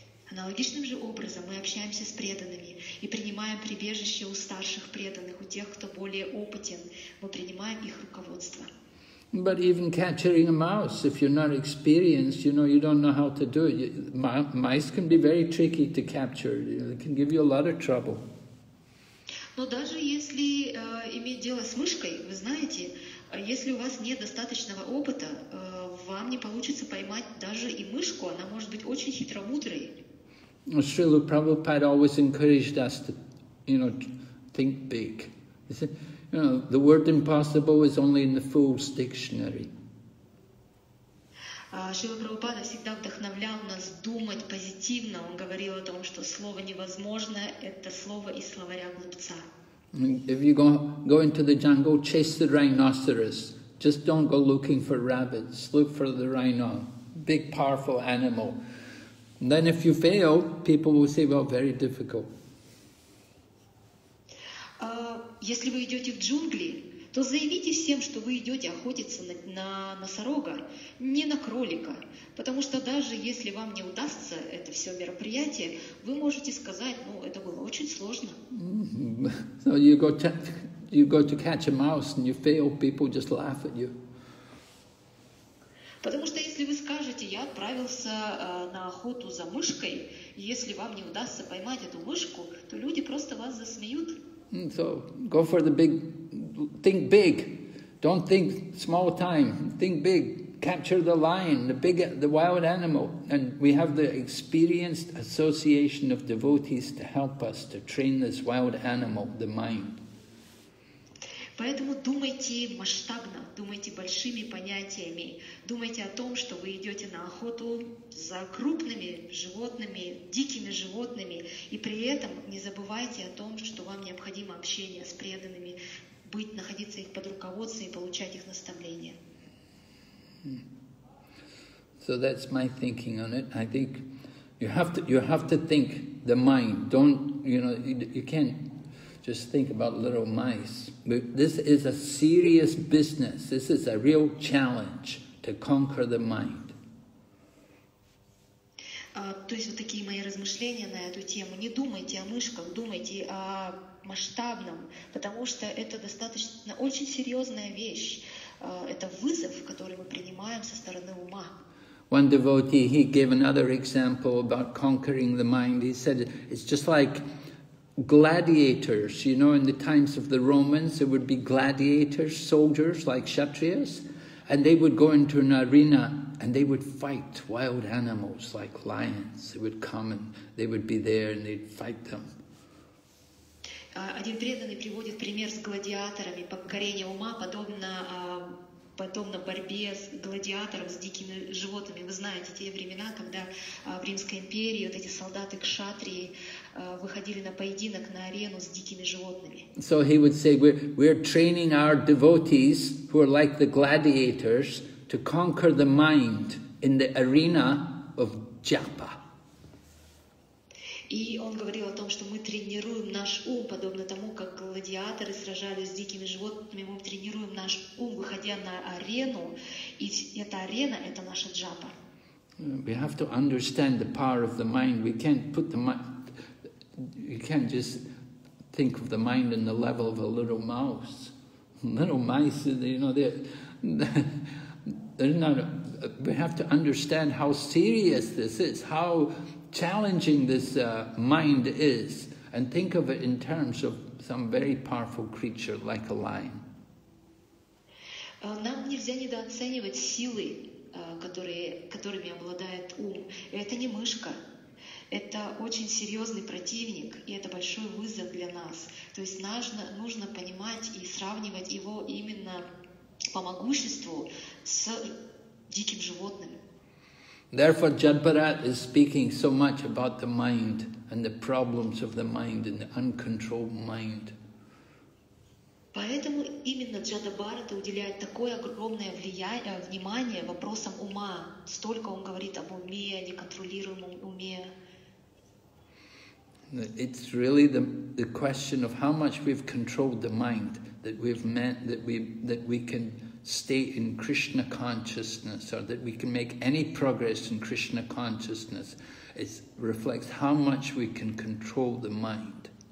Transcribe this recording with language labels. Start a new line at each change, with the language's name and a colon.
Russian: Аналогичным же образом мы общаемся с преданными и принимаем прибежище у старших преданных, у тех, кто более опытен. Мы принимаем их руководство.
English: But even capturing a mouse, if you're not experienced, you know, you don't know how to do it. Mice can be very tricky to capture. They can give you a lot of trouble.
Russian: Но даже если иметь дело с мышкой, вы знаете, если у вас нет достаточного опыта, вам не получится поймать даже и мышку. Она может быть очень хитромудрой.
English: Srila Prabhupada always encouraged us to, you know, think big. He said, you know, the word impossible is only in the fool's dictionary.
Russian: Srila Prabhupada всегда вдохновлял нас думать позитивно. Он говорил о том, что слово невозможное – это слово из словаря глупца.
English: If you go into the jungle, chase the rhinoceros. Just don't go looking for rabbits. Look for the rhino, big, powerful animal. And then if you fail, people will say, well, very difficult.
Russian: Если вы идете в джунгли, то заявите всем, что вы идете охотиться на носорога, не на кролика. Потому что даже если вам не удастся это все мероприятие, вы можете сказать, ну, это было очень сложно.
English: So you go to catch a mouse and you fail, people just laugh at you.
Russian: Потому что если вы скажете, я отправился на охоту за мышкой, если вам не удастся поймать эту мышку, то люди просто вас засмеют.
English: So go for the big, think big, don't think small time, think big, capture the lion, the wild animal, and we have the experienced association of devotees to help us to train this wild animal, the mind.
Russian: Поэтому думайте масштабно, думайте большими понятиями, думайте о том, что вы идете на охоту за крупными животными, дикими животными, и при этом не забывайте о том, что вам необходимо общение с преданными, быть, находиться их под руководством и получать их наставления.
English: So that's my thinking on it. I think you have to think the mind. Don't, you know, you can't just think about little mice. But this is a serious business. This is a real challenge to conquer the mind.
Russian: То есть вот такие мои размышления на эту тему. Не думайте о мышках, думайте о масштабном, потому что это достаточно очень серьезная вещь. Это вызов, который мы принимаем со стороны ума.
English: One devotee, he gave another example about conquering the mind. He said, it's just like gladiators, you know, in the times of the Romans, there would be gladiators, soldiers like Kshatriyas, and they would go into an arena and they would fight wild animals like lions. They would come and they would be there and they'd fight them.
Russian: Один преданный приводит пример с гладиаторами, покорение ума, подобно борьбе с гладиаторов, с дикими животными. Вы знаете, те времена, когда в Римской империи вот эти солдаты-кшатрии выходили на поединок на арену с дикими животными.
English: So he would say, we're training our devotees who are like the gladiators to conquer the mind in the arena of japa.
Russian: И он говорил о том, что мы тренируем наш ум, подобно тому, как гладиаторы сражались с дикими животными, мы тренируем наш ум, выходя на арену, и эта арена — это наша джапа.
English: We have to understand the power of the mind. We can't put the mind... You can't just think of the mind in the level of a little mouse. Little mice, you know, they're not... We have to understand how serious this is, how challenging this mind is, and think of it in terms of some very powerful creature like a lion.
Russian: Нам нельзя недооценивать силы, которыми обладает ум. Это не мышка. Это очень серьезный противник, и это большой вызов для нас. То есть нужно понимать и сравнивать его именно по могуществу с диким животным.
English: Therefore, Jadbharat is speaking so much about the mind and the problems of the mind and the uncontrolled mind.
Russian: Поэтому именно Джадабарата уделяет такое огромное влияние, внимание вопросам ума. Столько он говорит об уме, неконтролируемом уме.
English: It's really the question of how much we've controlled the mind that we've meant that we can stay in Krishna consciousness, or that we can make any progress in Krishna consciousness. It reflects how much we can control the mind.